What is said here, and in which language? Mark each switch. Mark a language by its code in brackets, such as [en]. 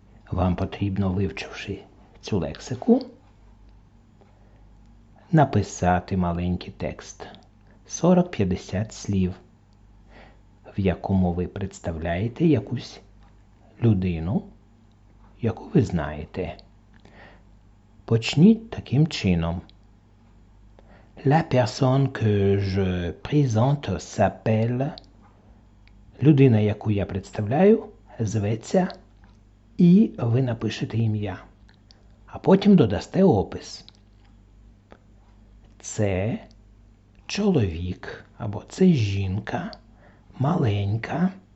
[uk] Вам потрібно, вивчивши цю лексику, написати маленький текст. 40-50 слів, в якому ви представляєте якусь людину, яку ви знаєте. Почніть таким чином. [fr] La personne que je présente s'appelle. [uk] Людина, яку я представляю, зветься, і ви напишете ім'я. А потім додасте опис. Це чоловік або це жінка маленька.